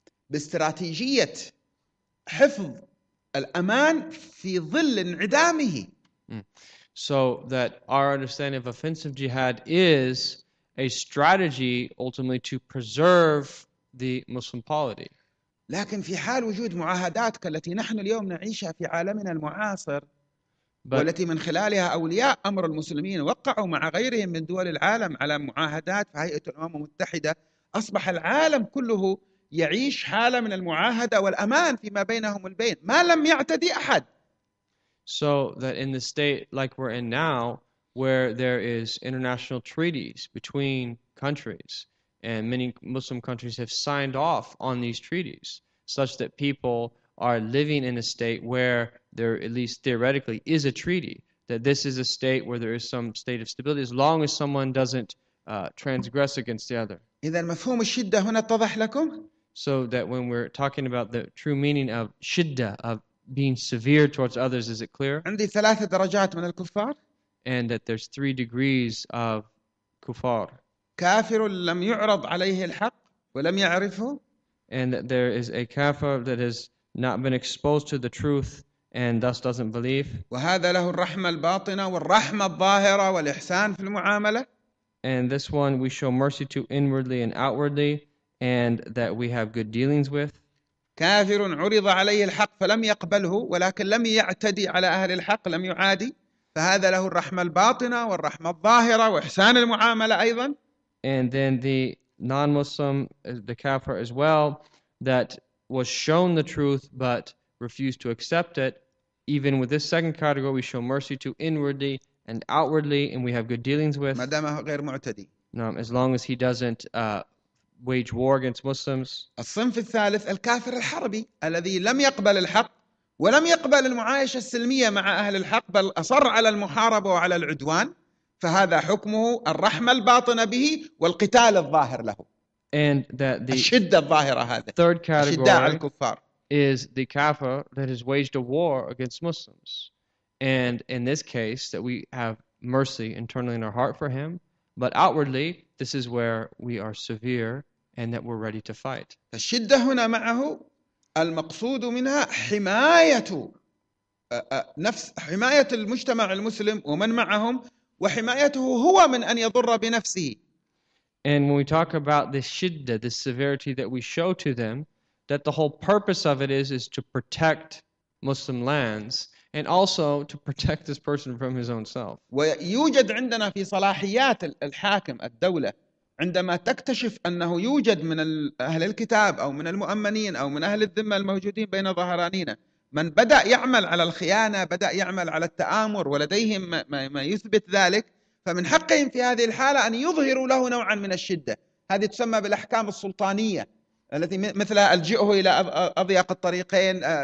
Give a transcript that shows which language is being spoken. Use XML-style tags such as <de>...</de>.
<ar>باستراتيجية حفظ الأمان في ظل انعدامه.</ar> <en>So that our understanding of offensive jihad is a strategy ultimately to preserve the Muslim polity.</en> <ar>لكن في حال وجود معاهدات كالتي نحن اليوم نعيشها في عالمنا المعاصر</ar> <en>But</en> <ar>والتي من خلالها أولياء أمر المسلمين وقعوا مع غيرهم من دول العالم على معاهدات في هيئة الأمم المتحدة، أصبح العالم كله يعيش حالة من المعاهدة والأمان فيما بينهم البين، ما لم يعتدي أحد.</ar> <en>So that in the state like we're in now, where there is international treaties between countries, and many Muslim countries have signed off on these treaties, such that people are living in a state where there, at least theoretically, is a treaty, that this is a state where there is some state of stability, as long as someone doesn't transgress against the other.</en> <ar>إذا مفهوم الشدة هنا اتضح لكم؟</ar> <en>So that when we're talking about the true meaning of shidda, of being severe towards others, is it clear?</en> <ar>عندي ثلاثة درجات من الكفار.</ar> <en>And that there's 3 degrees of kufar.</en> <ar>كافر لم يعرض عليه الحق ولم يعرفه.</ar> <en>And that there is a kafir that has not been exposed to the truth and thus doesn't believe.</en> <ar>وهذا له الرحمة الباطنة والرحمة الظاهرة والإحسان في المعاملة.</ar> <en>And this one we show mercy to inwardly and outwardly, and that we have good dealings with.</en> <ar>كافر عرض عليه الحق فلم يقبله ولكن لم يعتدي على أهل الحق لم يعادي فهذا له الرحمة الباطنة والرحمة الظاهرة وإحسان المعاملة أيضا.</ar> <en>And then the non-Muslim, the kafir as well, that was shown the truth but refused to accept it, even with this second category, we show mercy to inwardly and outwardly, and we have good dealings with.</en> <ar>ما دام غير معتدي. نعم,</ar> <en>as long as he doesn't wage war against Muslims.</en> <ar>الصنف الثالث الكافر الحربي الذي لم يقبل الحق ولم يقبل المعايشة السلمية مع أهل الحق بل أصر على المحاربة وعلى العدوان فهذا حكمه الرحمة الباطنة به والقتال الظاهر له</ar> <en>And that the</en> <ar>الشدة الظاهرة هذا</ar> <en>third</en> <ar>الشداء</ar> <en>category</en> <ar>على الكفار</ar> <en>is the kafir that has waged a war against Muslims. And in this case, that we have mercy internally in our heart for him. But outwardly, this is where we are severe and that we're ready to fight.</en> <ar>الشدة هنا معه المقصود منها حماية نفس حماية المجتمع المسلم ومن معهم وحمايته هو من أن يضر بنفسه.</ar> <en>And when we talk about the shiddah, the severity that we show to them, that the whole purpose of it is to protect Muslim lands and also to protect this person from his own self.</en> <ar>ويوجد عندنا في صلاحيات الحاكم الدولة عندما تكتشف أنه يوجد من أهل الكتاب أو من المؤمنين أو من أهل الذمة الموجودين بين ظهرانينا من بدأ يعمل على الخيانة بدأ يعمل على التآمر ولديهم ما يثبت ذلك فمن حقهم في هذه الحالة أن يظهروا له نوعا من الشدة هذه تسمى بالأحكام السلطانية التي مثل ألجئه إلى أضيق الطريقين</ar>